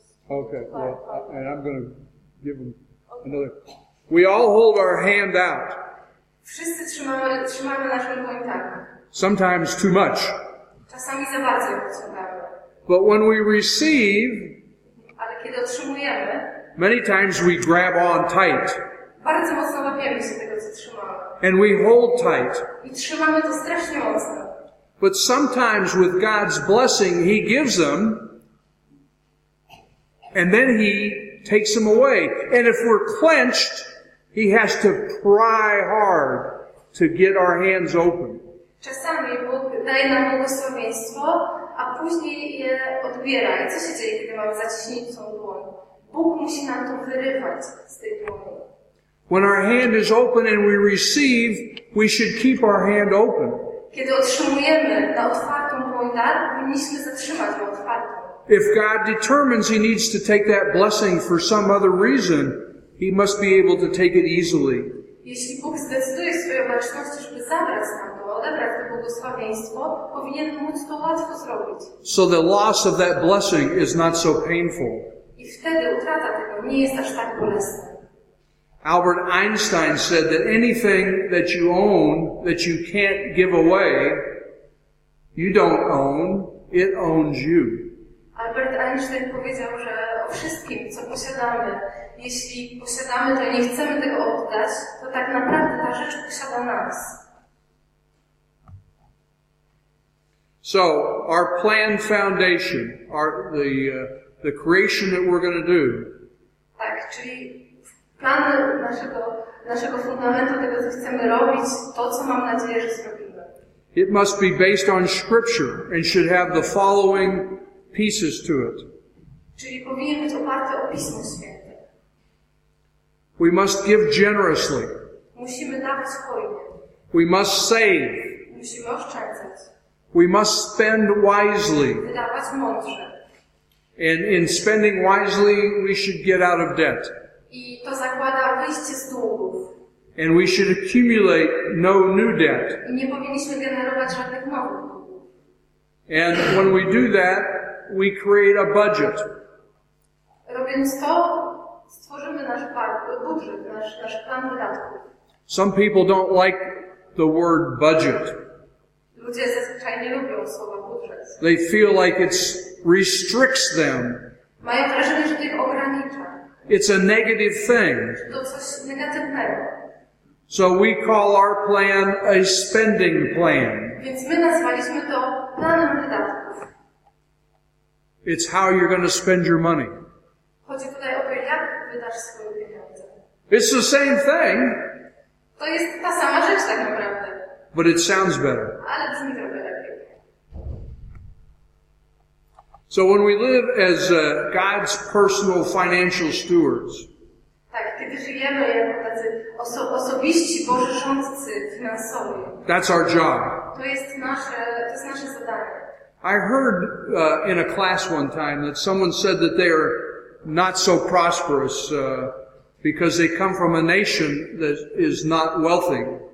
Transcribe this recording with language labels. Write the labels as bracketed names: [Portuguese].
[English] Okay, well, and I'm going to give them another. We all hold our hand out. [Polish] Wszyscy trzymamy naszą dłoń tak. [English] Sometimes too much. [Polish] Czasami za bardzo. [English] But when we receive, [Polish] ale kiedy otrzymujemy, [English] many times we grab on tight. [Polish] Bardzo mocno łapiemy się tego, co trzymamy. [English] And we hold tight. [Polish] I trzymamy to strasznie mocno. [English] But sometimes with God's blessing, He gives them, and then He takes them away. And if we're clenched, He has to pry hard to get our hands open. [Polish] Czasami Bóg daje nam błogosławieństwo, a później je odbiera. I co się dzieje, kiedy mamy zaciśniętą dłoń? Bóg musi nam to wyrywać z tej dłoni. [English] When our hand is open and we receive, we should keep our hand open. [Polish] Kiedy otrzymujemy na otwartą dłoń dar, powinniśmy zatrzymać ją otwartą. [English] If God determines He needs to take that blessing for some other reason, He must be able to take it easily. [Polish] Jeśli Bóg zdecyduje swoją baczność, żeby zabrać nam to, odebrać to błogosławieństwo, powinien móc to łatwo zrobić. [English] So the loss of that blessing is not so painful. [Polish] I wtedy utrata tego nie jest aż tak bolesna. [English] Albert Einstein said that anything that you own that you can't give away, you don't own, it owns you. [Polish] Albert Einstein powiedział, że o wszystkim, co posiadamy, jeśli posiadamy to i nie chcemy tego oddać, to tak naprawdę ta rzecz posiada nas. [English] So, our planned foundation, the creation that we're going to do. [Polish] Tak, czyli plan naszego fundamentu, tego, co chcemy robić, to, co mam nadzieję, że zrobimy. [English] It must be based on Scripture and should have the following pieces to it. [Polish] Czyli powinien być oparty o Pismo Święte. [English] We must give generously. [Polish] Musimy dawać hojnie. [English] We must save. [Polish] Musimy oszczędzać. [English] We must spend wisely. [Polish] Wydawać mądrze. [English] And in spending wisely, we should get out of debt. [Polish] I to zakłada wyjście z długów. [English] And we should accumulate no new debt. [Polish] I nie powinniśmy generować żadnych nowych. [English] And when we do that, we create a budget. [Polish] Robiąc to, stworzymy nasz budżet, nasz plan wydatków. [English] Some people don't like the word budget. [Polish] Ludzie zazwyczaj nie lubią słowa budżet. [English] They feel like it restricts them. [Polish] Mają wrażenie, że to ich ogranicza. [English] It's a negative thing. [Polish] To coś negatywnego. [English] So we call our plan a spending plan. [Polish] Więc my nazwaliśmy to planem wydatków. [English] It's how you're going to spend your money. [Polish] Chodzi tutaj o to, jak wydasz swoje pieniądze. [English] It's the same thing. [Polish] To jest ta sama rzecz tak naprawdę. [English] But it sounds better. [Polish] Ale brzmi trochę lepiej. [English] So when we live as God's personal financial stewards. [Polish] Tak, kiedy żyjemy jako tacy osobiści Boży rządcy finansowi. [English] That's our job. [Polish] To jest nasze zadanie. [English] I heard in a class one time that someone said that they are not so prosperous because they come from a nation that is not wealthy.